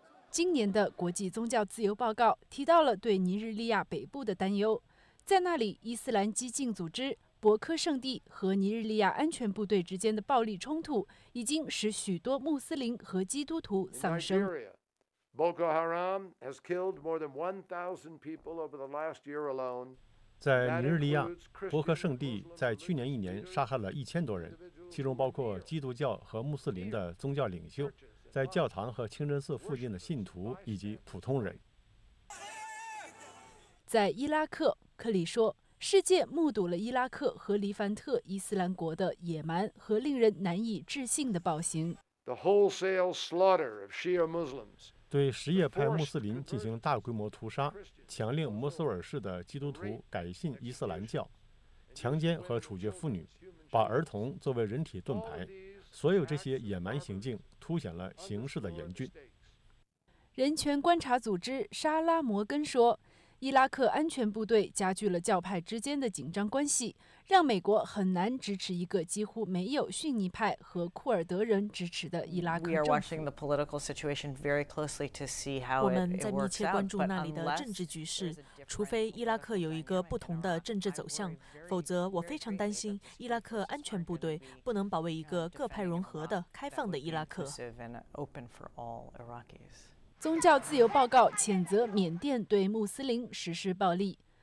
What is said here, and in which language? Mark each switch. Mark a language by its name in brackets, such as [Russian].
[Chinese] 今年的国际宗教自由报告提到了对尼日利亚北部的担忧，在那里伊斯兰激进组织博科圣地和尼日利亚安全部队之间的暴力冲突已经使许多穆斯林和基督徒丧生。 [English] Boko Haram has killed more than 1,000 people over the last year alone。 [Chinese] 在尼日利亚，博科圣地在去年一年杀害了1000多人，其中包括基督教和穆斯林的宗教领袖，在教堂和清真寺附近的信徒以及普通人。在伊拉克，克里说，世界目睹了伊拉克和黎凡特伊斯兰国的野蛮和令人难以置信的暴行。对什叶派穆斯林进行大规模屠杀，强令摩苏尔市的基督徒改信伊斯兰教，强奸和处决妇女，把儿童作为人体盾牌，所有这些野蛮行径凸显了形势的严峻。人权观察组织沙拉摩根说，伊拉克安全部队加剧了教派之间的紧张关系，让美国很难支持一个几乎没有逊尼派和库尔德人支持的伊拉克政府。 [English] We are watching the political situation very closely to see how it works [Chinese] out. 我们在密切关注那里的政治局势，除非伊拉克有一个不同的政治走向，否则我非常担心伊拉克安全部队不能保卫一个各派融合的开放的伊拉克。宗教自由报告谴责缅甸对穆斯林实施暴力。